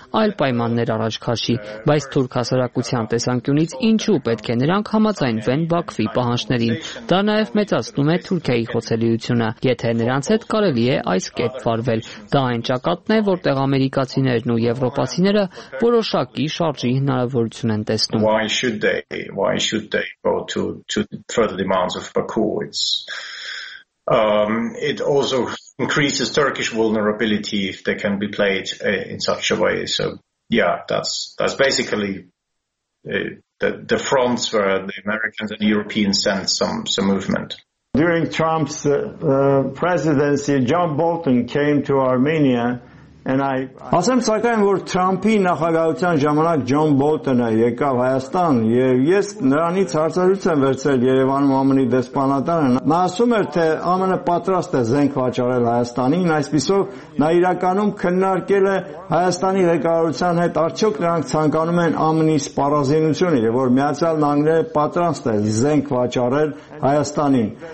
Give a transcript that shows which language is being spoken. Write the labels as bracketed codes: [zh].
[hy] այլ պայմաններ առաջ քաշի, բայց թուրք հասարակության տեսանկյունից ինչու պետք է նրանք համաձայնվեն Բաքվի պահանջներին, դա նաև մեծացնում է Թուրքիայի խոցելիությունը, եթե նրանց հետ կարելի է այս կետ վարվել։ Դա այն ճակատն է, որտեղ ամերիկացիներն ու եվրոպացիները որոշակի շարժի հնարավորություն են տեսնում։ [en] Why should they? Why should they go to further demands of Baku? It also increases Turkish vulnerability if they can be played in such a way. So, yeah, that's basically the fronts where the Americans and Europeans sent some movement. During Trump's presidency, John Bolton came to Armenia, and I. [hy] Ասեմ, սակայն, որ Թրամփի նախագահության ժամանակ Ջոն Բոլտոնը եկավ Հայաստան, և ես նրանից հարցազրույց եմ վերցրել Երևանում ԱՄՆ-ի դեսպանատանը, նա ասում էր, թե ԱՄՆ-ը պատրաստ է զենք վաճառել Հայաստանին, այսպիսով նա իրականում քննարկել է Հայաստանի ղեկավարության հետ, արդյոք նրանք ցանկանում են ԱՄՆ-ի սպառազինությունը, և որ Միացյալ Նահանգները պատրաստ է զենք վաճառել Հայաստանին։